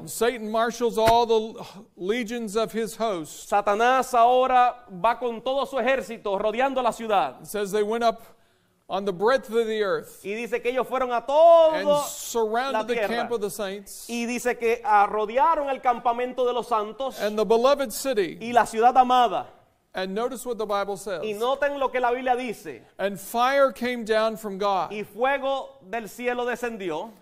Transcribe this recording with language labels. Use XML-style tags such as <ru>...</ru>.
<en>And Satan marshals all the legions of his host.</en> <es>Satanás ahora va con todo su ejército rodeando la ciudad.</es> <en>It says they went up on the breadth of the earth.</en> <es>Y dice que ellos fueron a todo</es> <en>and surrounded the camp of the saints.</en> <es>Y dice que rodearon el campamento de los santos.</es> <en>And the beloved city.</en> <es>Y la ciudad amada.</es> <en>And notice what the Bible says.</en> <es>Y noten lo que la Biblia dice.</es> <en>And fire came down from God.</en> <es>Y fuego del cielo descendió.</es>